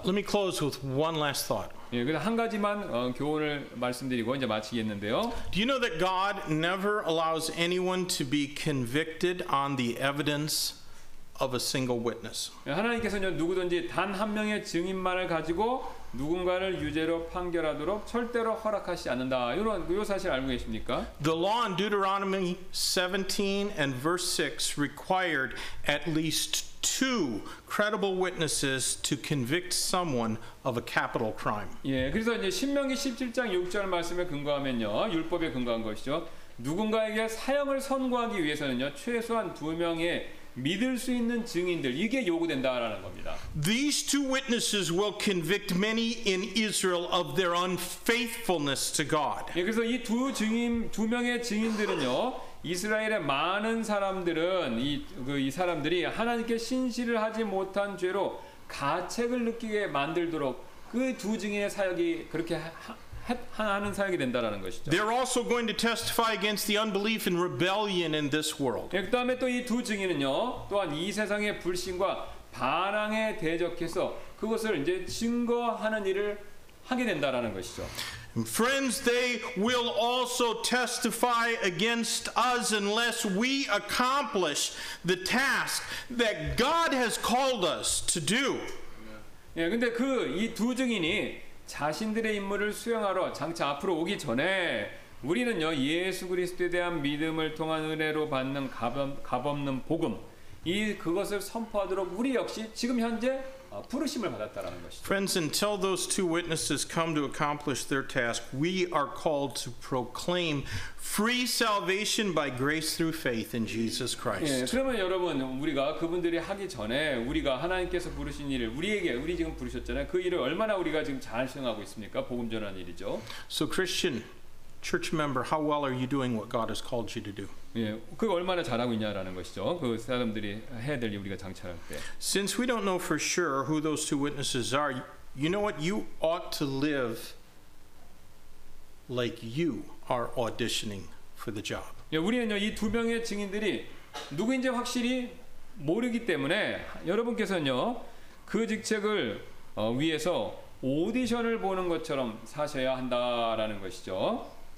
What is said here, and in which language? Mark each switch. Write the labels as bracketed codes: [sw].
[en] Let me close with one last thought. [ko] 예, 그래서 한 가지만 교훈을 말씀드리고 이제 마치겠는데요. [en] Do you know that God never allows anyone to be convicted on the evidence of a single witness? [ko] 하나님께서는 누구든지 단 한 명의 증인만을 가지고 누군가를 유죄로 판결하도록 절대로 허락하지 않는다. 이런 요 사실 알고 계십니까? [en] The law in Deuteronomy 17 and verse 6 required at least two credible witnesses to convict someone of a capital crime. [ko] 예, 그래서 이제 신명기 17장 6절 말씀에 근거하면요. 율법에 근거한 것이죠. 누군가에게 사형을 선고하기 위해서는요. 최소한 두 명의 믿을 수 있는 증인들 이게 요구된다라는 겁니다. [en] These two witnesses will convict many in Israel of their unfaithfulness to God. [ko] 예, 그래서 이 두 증인 두 명의 증인들은요. 이스라엘의 많은 사람들은 이 그 이 사람들이 하나님께 신실을 하지 못한 죄로 가책을 느끼게 만들도록 그 두 증인의 사역이 그렇게 하는 사역이 된다라는 것이죠. [en] They're also going to testify against the unbelief and rebellion in this world. [ko] 예, 그다음에 또 이 두 증인은요. 또한 이 세상의 불신과 반항에 대적해서 그것을 이제 증거하는 일을 하게 된다라는 것이죠. [en] Friends, they will also testify against us unless we accomplish the task that God has called us to do. [ko] 예, 근데 그 이 두 증인이 자신들의 임무를 수행하러 장차 앞으로 오기 전에 우리는요 예수 그리스도에 대한 믿음을 통한 은혜로 받는 값없는 복음 이 그것을 선포하도록 우리 역시 지금 현재 부르심을 받았다라는 것이죠. [en] Friends, until those two witnesses come to accomplish their task, we are called to proclaim free salvation by grace through faith in Jesus Christ. [ko] 예, 그러면 여러분 우리가 그분들이 하기 전에 우리가 하나님께서 부르신 일을 우리에게 우리 지금 부르셨잖아요. 그 일을 얼마나 우리가 지금 잘 수행하고 있습니까? 복음 전하는 일이죠. [en] So Christian church member, how well are you doing what God has called you to do? [ko] 예, 그 얼마나 잘하고 있냐라는 것이죠. 그 사람들이 해야 될 일 우리가 장차할 때. [en] Since we don't know for sure who those two witnesses are, you know what? You ought to live like you are auditioning for the job. [ko] 예, 우리는요 이 두 명의 증인들이 누구인지 확실히 모르기 때문에 여러분께서는요 그 직책을 위해서 오디션을 보는 것처럼 사셔야 한다라는 것이죠.